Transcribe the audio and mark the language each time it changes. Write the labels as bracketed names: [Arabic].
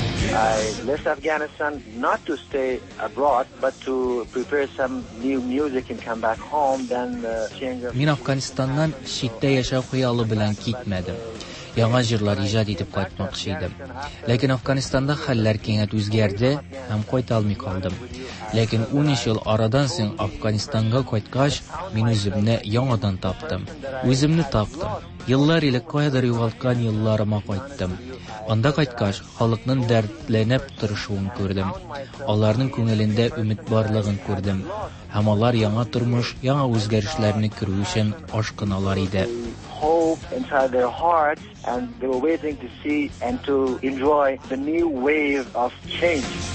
[English] I left Afghanistan not to stay abroad, but to prepare some new music and come back home, then change of... [Tatar] Мин Афганистаннан читтә яшәү хыялы белән китмәдем. Яңа җырлар иҗат итеп кайтмакчы идем. Ләкин Афганистанда хәлләр киңәт үзгәрде һәм кайта алмый калдым. Ләкин 13 ел арадан соң Афганистанга кайткач, мин үземне яңадан таптым. Үземне таптым. Еллар элек каядыр югалткан елларыма кайттым. Анда кайткач, халыкның дәртләнеп торышуын күрдем. Аларның күңелендә үмид барлыгын күрдем. Һәм алар яңа тормыш, яңа үзгәрешләрне күрү өчен ашкыналар иде. [English] Hope inside their hearts, and they were waiting to see and to enjoy the new wave of change.